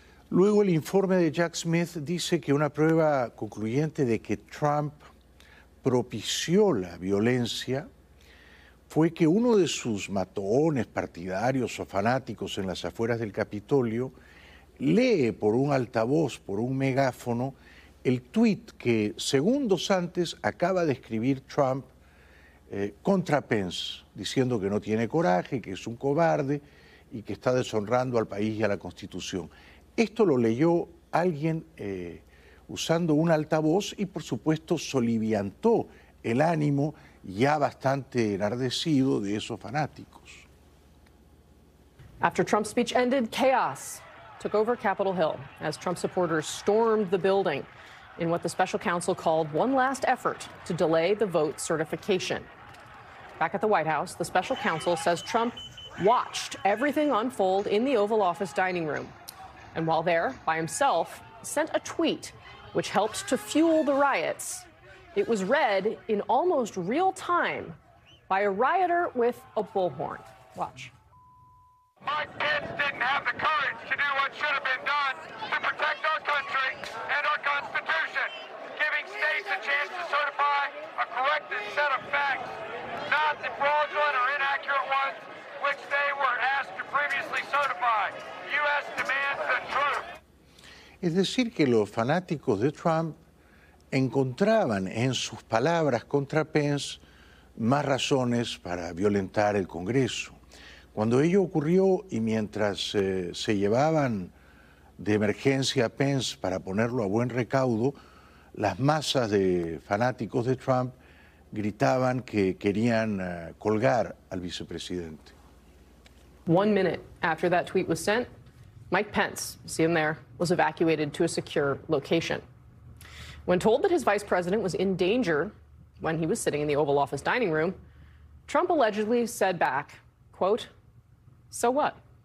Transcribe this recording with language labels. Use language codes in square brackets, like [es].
[es] Luego el informe de Jack Smith dice que una prueba concluyente de que Trump propició la violencia fue que uno de sus matones, partidarios o fanáticos en las afueras del Capitolio lee por un altavoz, por un megáfono, el tuit que segundos antes acaba de escribir Trump contra Pence, diciendo que no tiene coraje, que es un cobarde y que está deshonrando al país y a la Constitución. Esto lo leyó alguien usando un altavoz y, por supuesto, soliviantó el ánimo ya bastante enardecido de esos fanáticos. [en] After Trump's speech ended, chaos took over Capitol Hill as Trump supporters stormed the building in what the special counsel called one last effort to delay the vote certification. Back at the White House, the special counsel says Trump watched everything unfold in the Oval Office dining room. And while there, by himself, sent a tweet which helped to fuel the riots. It was read in almost real time by a rioter with a bullhorn. Watch. Mike Pence didn't have the courage to do what should have been done to protect our country and our Constitution, giving states a chance to certify a corrected set of facts, not the fraudulent or inaccurate ones which they were asked to previously certify. U.S. demands the truth. [es] Es decir, que los fanáticos de Trump encontraban en sus palabras contra Pence más razones para violentar el Congreso. Cuando ello ocurrió y mientras se llevaban de emergencia a Pence para ponerlo a buen recaudo, las masas de fanáticos de Trump gritaban que querían colgar al vicepresidente. [en] One minute after that tweet was sent, Mike Pence, see him there, was evacuated to a secure location. When told that his vice president was in danger when he was sitting in the Oval Office dining room, Trump allegedly said back, quote, so what?